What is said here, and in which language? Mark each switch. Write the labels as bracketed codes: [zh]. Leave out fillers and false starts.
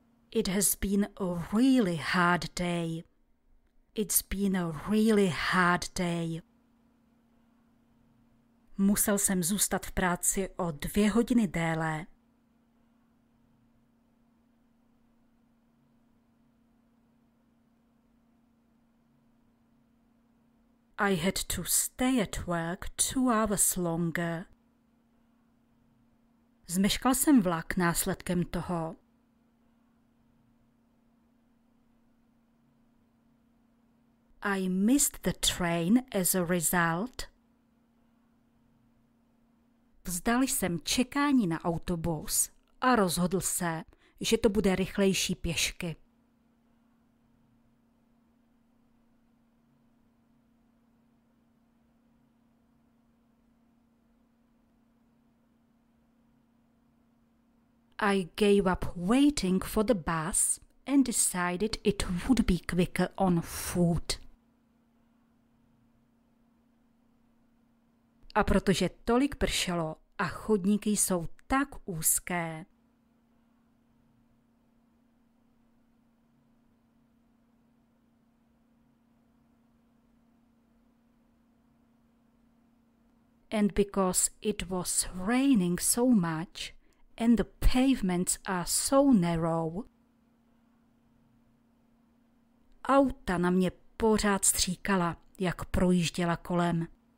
[en] It has been a really hard day. It's been a really hard day. [cs] Musel jsem zůstat v práci o 2 hodiny déle. [en] I had to stay at work 2 hours longer. [cs] Zmeškal jsem vlak následkem toho. [en] I missed the train as a result. [cs] Vzdal jsem čekání na autobus a rozhodl se, že to bude rychlejší pěšky. [en] I gave up waiting for the bus and decided it would be quicker on foot. [cs] A protože tolik pršelo a chodníky jsou tak úzké. [en] And because it was raining so much and the pavements are so narrow. [cs] Auta na mě pořád stříkala, jak projížděla kolem.